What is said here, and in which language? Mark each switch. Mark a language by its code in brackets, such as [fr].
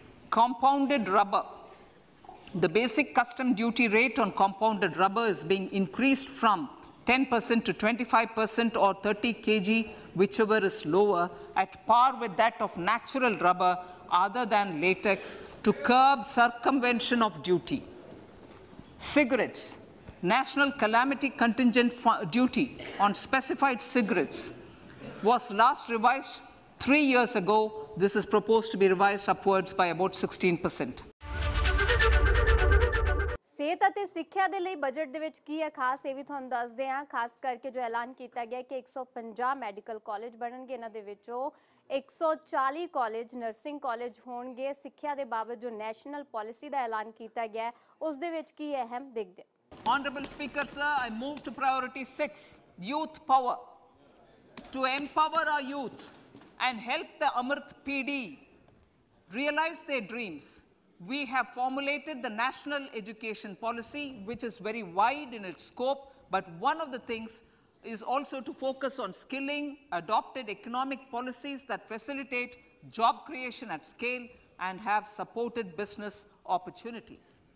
[en] Compounded rubber. The basic custom duty rate on compounded rubber is being increased from 10% to 25% or 30 kg, whichever is lower, at par with that of natural rubber other than latex, to curb circumvention of duty. Cigarettes. National calamity contingent duty on specified cigarettes was last revised 3 years ago. This is proposed to be revised upwards by about 16%. [pa] ਸਿਹਤ ਅਤੇ ਸਿੱਖਿਆ ਦੇ ਲਈ budget ਦੇ ਵਿੱਚ ਕੀ ਹੈ ਖਾਸ, ਇਹ ਵੀ ਤੁਹਾਨੂੰ ਦੱਸਦੇ ਹਾਂ। ਖਾਸ ਕਰਕੇ ਜੋ ਐਲਾਨ ਕੀਤਾ ਗਿਆ ਕਿ 150 ਮੈਡੀਕਲ ਕਾਲਜ ਬਣਨਗੇ, ਇਹਨਾਂ ਦੇ ਵਿੱਚੋਂ 140 ਕਾਲਜ ਨਰਸਿੰਗ ਕਾਲਜ ਹੋਣਗੇ। ਸਿੱਖਿਆ ਦੇ ਬਾਬਤ ਜੋ ਨੈਸ਼ਨਲ ਪਾਲਿਸੀ ਦਾ ਐਲਾਨ ਕੀਤਾ ਗਿਆ ਉਸ ਦੇ ਵਿੱਚ ਕੀ ਅਹਿਮ ਦੇਖਦੇ। [en] Honourable speaker sir, I move to priority 6 youth power to empower our youth and help the Amrit Peedhi realise their dreams. We have formulated the National Education Policy, which is very wide in its scope, but one of the things is also to focus on skilling, adopted economic policies that facilitate job creation at scale and have supported business opportunities.